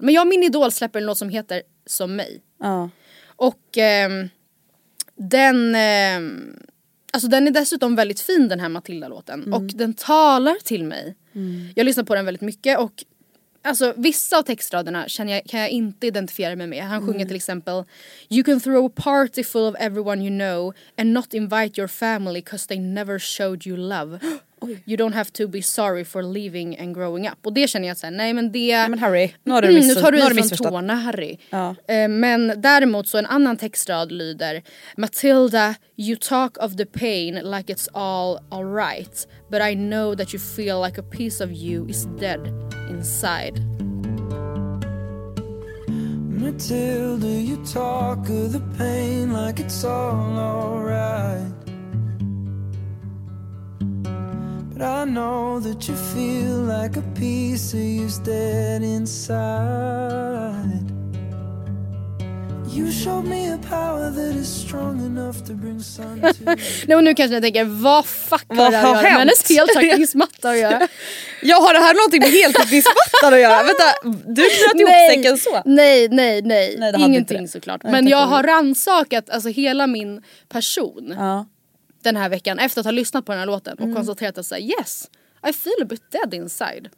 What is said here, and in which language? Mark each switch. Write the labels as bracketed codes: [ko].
[sv] Men jag min idol släpper något som heter Som mig. Ja. Och den... alltså den är dessutom väldigt fin, den här Matilda-låten. Mm. Och den talar till mig. Mm. Jag lyssnar på den väldigt mycket och... Alltså, vissa av textraderna känner jag, kan jag inte identifiera mig med. Han sjunger till exempel [en] "You can throw a party full of everyone you know and not invite your family 'cause they never showed you love. You don't have to be sorry for leaving and growing up." [sv] Och det känner jag såhär, nej men det... Nej men Harry, nu har du missförstått. Nu tar du ut från tårna, Harry. Ja. Men däremot så en annan textrad lyder [en] "Matilda, you talk of the pain like it's all right, but I know that you feel like a piece of you is dead inside." Matilda, you talk of the pain like it's all right, but I know that you feel like a piece of you's dead inside. You showed me a power that is strong enough to bring sun to [sv] you. Nu kanske jag tänker, vad fuck vad har det här med hennes heltäckningsmatta att göra? Jag har det här någonting med heltäckningsmattan att göra? Vänta, du knöt ihop säcken så. Nej, ingenting såklart. Men jag har rannsakat alltså, hela min person. Ja. Den här veckan, efter att ha lyssnat på den här låten och konstaterat att säga [en] yes, I feel a bit dead inside.